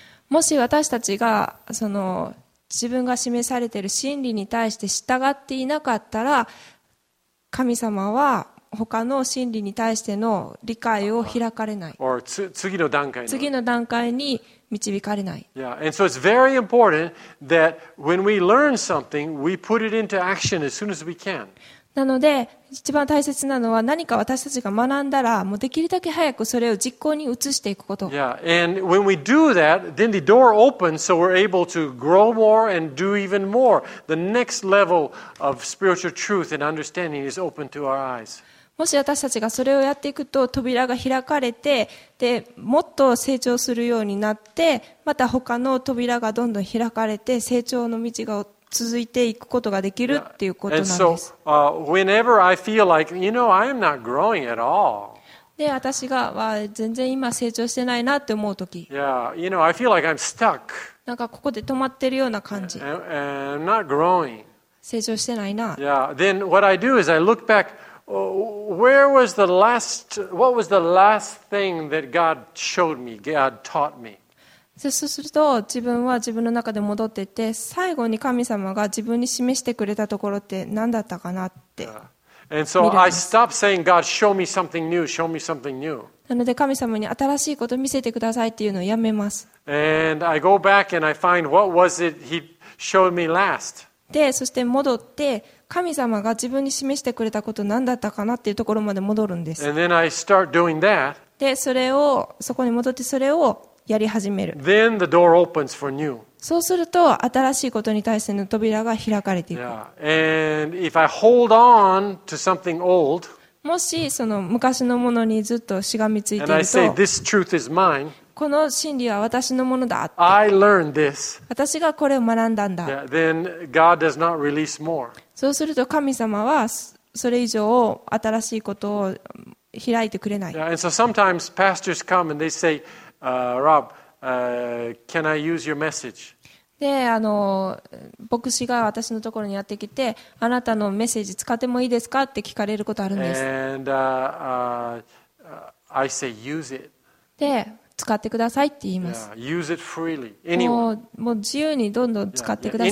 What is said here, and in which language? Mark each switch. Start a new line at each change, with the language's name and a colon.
Japanese: もし私たちがその自分が示されている真理に対して従っていなかったら、神様は他の真理に対しての理解を開かれない。次の段階に導かれない。
English: Yeah. And so it's very important that when we learn something, we put it into action as soon as we can.
Japanese: なので一番大切なのは、何か私たちが学んだら、もうできるだけ早くそれを実行に移していくこと。
English: Yeah. And when we do that, then the door opens, so we're able to grow more and do even more. The next level of spiritual truth and understanding is open to our eyes.
Japanese: もし私たちがそれをやっていくと、扉が開かれて、でもっと成長するようになって、また他の扉がどんどん開かれて、成長の道が続いていくことができるっていうことなんです。
English: And so, whenever I feel like, you know, I am not growing at all.
Japanese: で、私が全然今成長してないなって思うとき。
English: Yeah, you know, I feel like I'm stuck.
Japanese: なんかここで止まってるような感じ。
English: I'm not growing.
Japanese: 成長してないな。
English: Yeah, then what I do is I look back, what was the last thing that God showed me, God taught me?
Japanese: そうすると自分は自分の中で戻っていて、最後に神様が自分に示してくれたところって何だったかなって見るんです。
English: I stop saying, God, show me something new, show me something new.
Japanese: なので神様に新しいことを見せてくださいっていうのをやめます。
English: And I go back and I find what was it he showed me last.
Japanese: で、そして戻って、神様が自分に示してくれたこと何だったかなっていうところまで戻るんです。
English: And then I start doing that.
Japanese: で、それをそこに戻って、それをやり始める。
English: Then the door opens for new.
Japanese: そうすると新しいことに対しての扉が開かれていく。
English: Yeah. And if I hold on to something old,
Japanese: もしその昔のものにずっとしがみついていると、
English: and I say, this truth is mine,
Japanese: この真理は私のものだ。
English: I learned this.
Japanese: 私がこれを学んだんだ。
English: Yeah. Then God does not release more.
Japanese: そうすると神様はそれ以上新しいことを開いてくれない。
English: Yeah. And so sometimes pastors come and they say,Rob, can I use your message?
Japanese: で、牧師が私のところにやってきて、あなたのメッセージ使ってもいいですかって聞かれることあるんです。
English: And, I say, use it.
Japanese: で、使ってくださいって言います。
English: Yeah. Use it freely. Anyone.
Japanese: もう自由にどんどん使ってください。